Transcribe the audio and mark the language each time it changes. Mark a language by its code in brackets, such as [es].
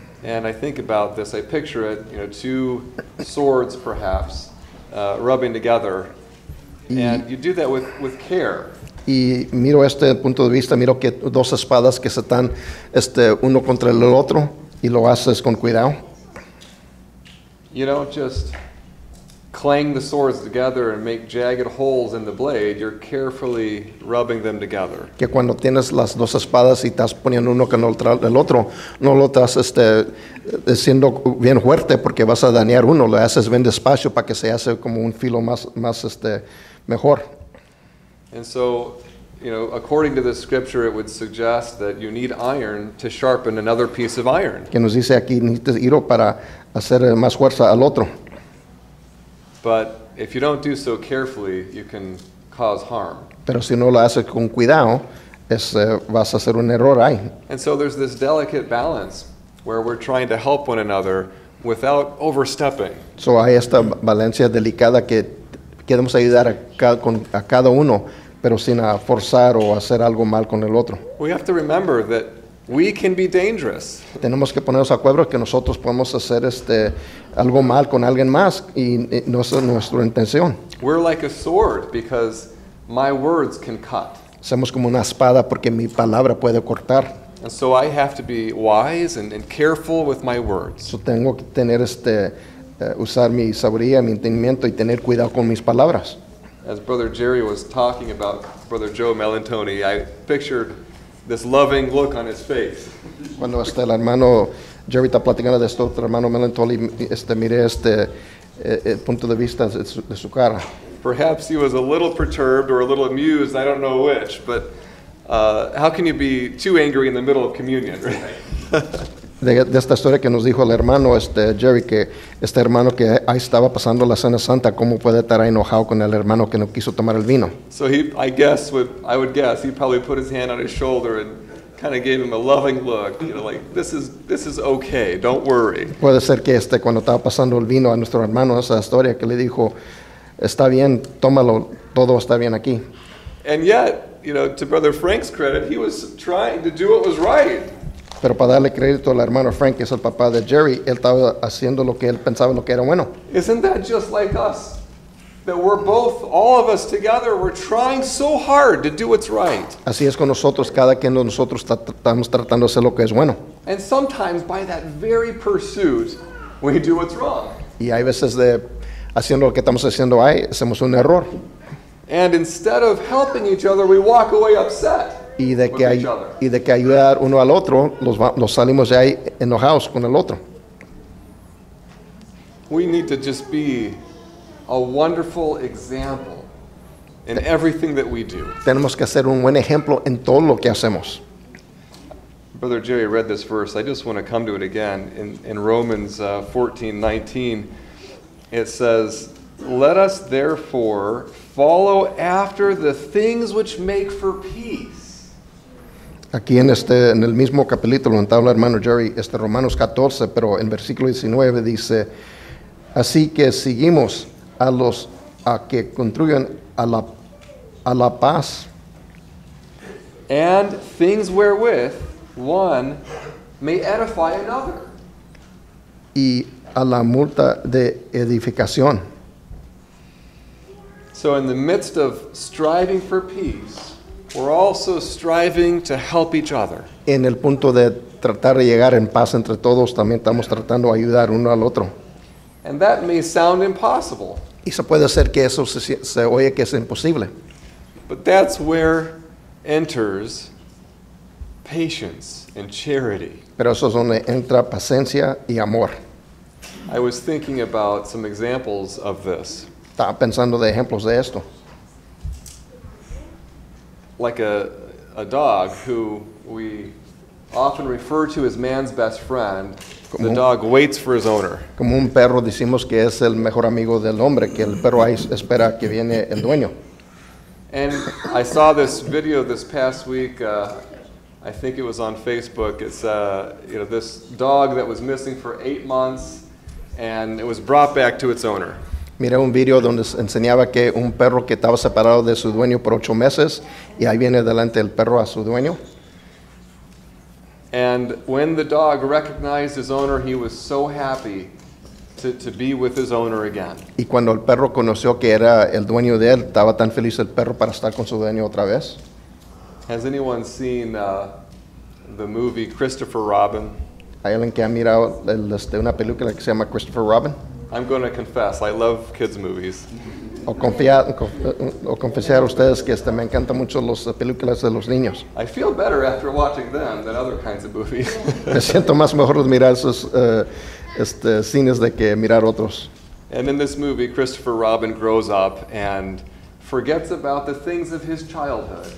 [en] And I think about this, I picture it, you know, two swords perhaps rubbing together. Y, and you do that with care. [es] Y miro este punto de vista, miro que dos espadas que se están uno contra el otro y lo haces con cuidado. [en] You don't just clang the swords together and make jagged holes in the blade, you're carefully rubbing them together. [es] Que cuando tienes las dos espadas y estás poniendo uno con el otro, no lo estás siendo bien fuerte porque vas a dañar uno, lo haces bien despacio para que se hace como un filo más mejor. [en] And so, you know, according to the scripture, it would suggest that you need iron to sharpen another piece of iron. [es] Que nos dice aquí, necesitas hierro para hacer más fuerza al otro. [en] But if you don't do so carefully, you can cause harm. [es] Pero si no lo haces con cuidado, vas a hacer un error ahí. [en] And so there's this delicate balance where we're trying to help one another without overstepping. [es] So hay esta balancia delicada que queremos ayudar a cada uno, pero sin a forzar o hacer algo mal con el otro. [en] We have to remember that we can be dangerous. [es] Tenemos que ponernos a cuadro que nosotros podemos hacer algo mal con alguien más y no es nuestra intención. [en] We're like a sword because my words can cut. [es] Somos como una espada porque mi palabra puede cortar. [en] And so I have to be wise and careful with my words. [es] So tengo que tener usar mi sabiduría, mi entendimiento y tener cuidado con mis palabras. [en] As Brother Jerry was talking about Brother Joe Melantoni, I pictured this loving look on his face. [es] Cuando el hermano Jerry está platicando de esto, hermano Melantoni, miré el punto de vista de su cara. [en] Perhaps he was a little perturbed or a little amused, I don't know which, but how can you be too angry in the middle of communion, right? [es] De esta historia que nos dijo el hermano Jerry, que este hermano que ahí estaba pasando la Cena Santa, ¿cómo puede estar enojado con el hermano que no quiso tomar el vino? [en] So I would guess he probably put his hand on his shoulder and kind of gave him a loving look, you know, like, this is okay, don't worry. [es] Puede ser que cuando estaba pasando el vino a nuestro hermano, esa historia que le dijo, está bien, tómalo, todo está bien aquí. [en] And yet, you know, to Brother Frank's credit, he was trying to do what was right. [es] Pero para darle crédito al hermano Frank, que es el papá de Jerry, él estaba haciendo lo que él pensaba lo que era bueno. [en] Isn't that just like us? That we're both, all of us together, we're trying so hard to do what's right. [es] Así es con nosotros, cada quien de nosotros estamos tratando de hacer lo que es bueno. [en] And sometimes by that very pursuit, we do what's wrong. [es] Y hay veces de haciendo lo que estamos haciendo ahí, hacemos un error. [en] And instead of helping each other, we walk away upset [es] Y de que ayudar uno al otro, nos salimos de ahí enojados con el otro. [en] We need to just be a wonderful example in everything that we do. [es] Tenemos que hacer un buen ejemplo en todo lo que hacemos. [en] Brother Jerry read this verse. I just want to come to it again. In Romans 14:19, it says, "Let us therefore follow after the things which make for peace." [es] Aquí en este, en el mismo capítulo, en tabla, hermano Jerry, este Romanos 14, pero en versículo 19 dice, "Así que seguimos a los a que construyen a la paz [en] and things wherewith one may edify another [es] y a la multa de edificación." [en] So in the midst of striving for peace, we're also striving to help each other. [es] En el punto de tratar de llegar en paz entre todos, también estamos tratando de ayudar uno al otro. [en] And that may sound impossible. [es] Y se puede hacer que eso se oye que es imposible. [en] But that's where enters patience and charity. [es] Pero eso es donde entra paciencia y amor. [en] I was thinking about some examples of this. [es] Estaba pensando de ejemplos de esto. [en] Like a dog who we often refer to as man's best friend. The dog waits for his owner. [es] Como un perro decimos que es el mejor amigo del hombre, que el perro ahí espera que viene el dueño. [en] And I saw this video this past week, I think it was on Facebook. It's you know, this dog that was missing for 8 months and it was brought back to its owner. [es] Miré un video donde enseñaba que un perro que estaba separado de su dueño por 8 meses y ahí viene delante el perro a su dueño. [en] And when the dog recognized his owner, he was so happy to be with his owner again. [es] Y cuando el perro conoció que era el dueño de él, estaba tan feliz el perro para estar con su dueño otra vez. [en] Has anyone seen the movie Christopher Robin? [es] ¿Hay alguien que ha mirado una película que se llama Christopher Robin? [en] I'm going to confess, I love kids' movies. [es] O confesar a ustedes que me encantan mucho las películas de los niños. [en] I feel better after watching them than other kinds of movies. [es] Me siento más mejor de mirar esos cines de que mirar otros. [en] And in this movie, Christopher Robin grows up and forgets about the things of his childhood.